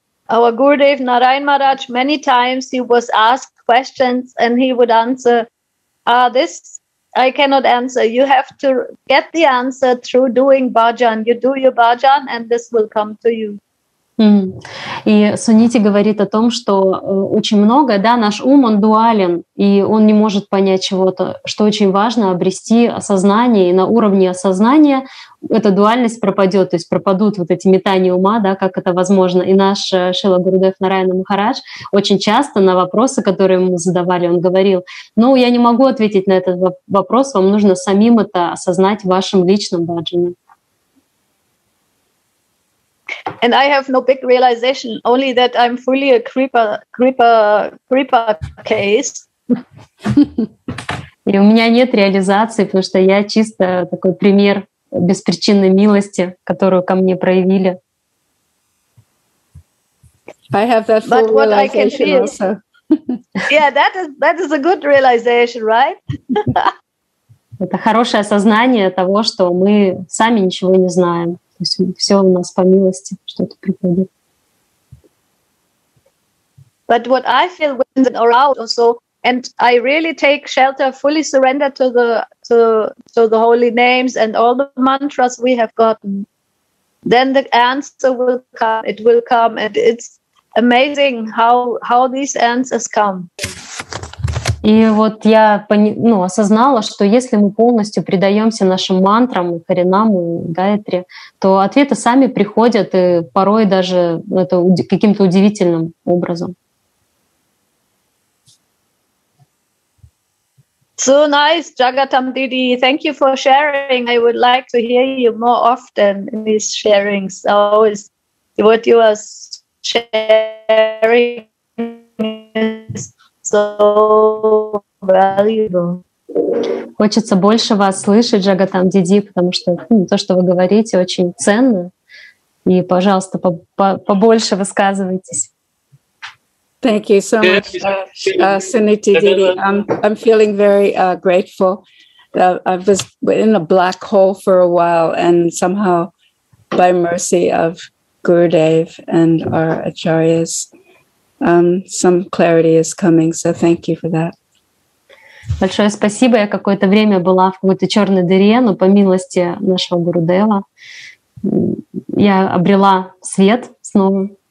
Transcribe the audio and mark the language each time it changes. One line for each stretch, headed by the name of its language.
English: Our Gurudev, Narayan Maharaj, many times he was asked questions and he would answer, this I cannot answer. You have to get the answer through doing bhajan. You do your bhajan and this will come to you. Mm.
Russian: И Сунити говорит о том, что очень много, да, наш ум, он дуален, и он не может понять чего-то, что очень важно обрести осознание, и на уровне осознания эта дуальность пропадет, то есть пропадут вот эти метания ума, да, как это возможно. И наш Шрила Гурудев Нараяна Махарадж очень часто на вопросы, которые ему задавали, он говорил, ну, я не могу ответить на этот вопрос, вам нужно самим это осознать в вашем личном баджане.
English: And I have no big realization, only that I'm fully a creeper case.
Russian: И у меня нет реализации, потому что я чисто такой пример беспричинной милости, которую ко мне проявили.
English: I have that full but what realization I can feel, also. Yeah, that is a good realization, right?
Russian: Это хорошее осознание того, что мы сами ничего не знаем. То есть все у нас по милости что-то приходит.
English: But what I feel when I'm aroused also, and I really take shelter, fully surrender to the holy names and all the mantras we have gotten, then the answer will come. It will come, and it's amazing how these answers come.
Russian: И вот я осознала, что если мы полностью предаемся нашим мантрам, харинаму, гаятри, то ответы сами приходят, и порой даже это каким-то удивительным образом.
English: So nice, Jagatam Didi. Thank you for sharing. I would like to hear you more often in these sharings. Always what you are sharing is so valuable.
Russian: Хочется больше вас слышать, Джагатам Диди, потому что то, что вы говорите, очень ценно. И, пожалуйста, побольше высказывайтесь.
English: Thank you so much, Suniti Didi. I'm feeling very grateful. I was in a black hole for a while, and somehow by mercy of Gurudev and our acharyas. Some clarity is coming, so thank you for that.
Russian: Большое спасибо. Я какое-то время была в какой-то черной дыре, но по милости нашего Гурудева я обрела свет снова.